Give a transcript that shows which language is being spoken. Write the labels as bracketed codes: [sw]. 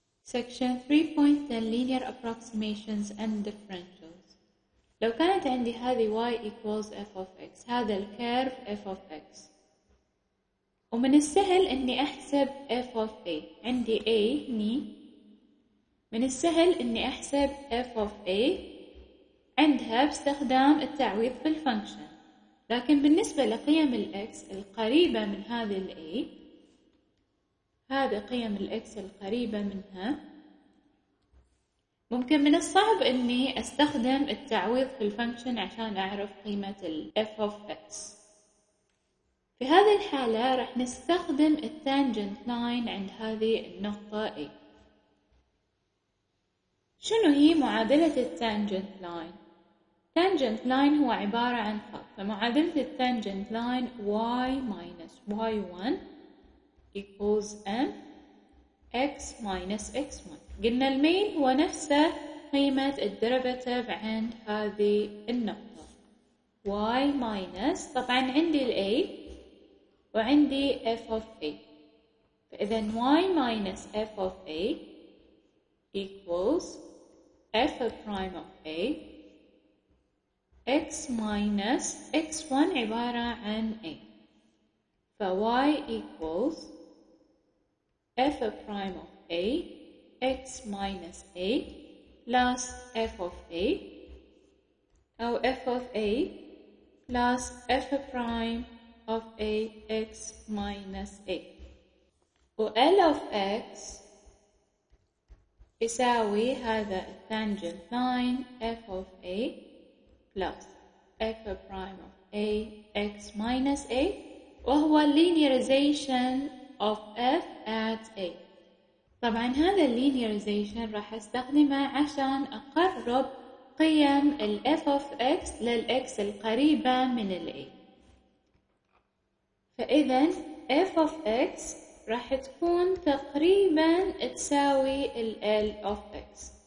[en] Section 3.10 Linear Approximations and Differentials. [ar] لو كانت عندي هذه [en] y equals f of x, [ar] هذا الكيرف [en] f of x. [ar] ومن السهل اني احسب [en] f of a. [ar] عندي a هني. من السهل اني احسب [en] f of a [ar] عندها باستخدام التعويض في الفانكشن. لكن بالنسبة لقيم x القريبة من هذه ال a, هذا قيم x القريبة منها, ممكن من الصعب اني استخدم التعويض في الفانكشن عشان اعرف قيمة ال [en] f of x. [ar] في هذه الحالة راح نستخدم التانجنت لاين عند هذه النقطة A. شنو هي معادلة التانجنت لاين؟ تانجنت لاين هو عبارة عن خط, فمعادلة التانجنت لاين [en] y minus y1 equals m x minus x1. [ar] قلنا الميل هو نفسه قيمة الدرفاتيف عند هذه النقطة [en] y minus, طبعا عندي ال a وعندي f of a, [ar] فإذا y minus f of a equals f prime of a [en] x minus x1 [ar] عبارة عن [en] a, ف y equals f prime of a x minus a plus f of a, [ar] أو [en] f of a plus f prime of a x minus a, و L of x [ar] يساوي هذا التانجنت لاين [en] f of a plus f prime of a x minus a, [ar] وهو [en] linearization of f at a. [ar] طبعا هذا linearization راح استخدمه عشان اقرب قيم ال [en] f of x [ar] لل x القريبة من ال a. فإذا [en] f of x [ar] راح تكون تقريبا تساوي ال [en] L of x.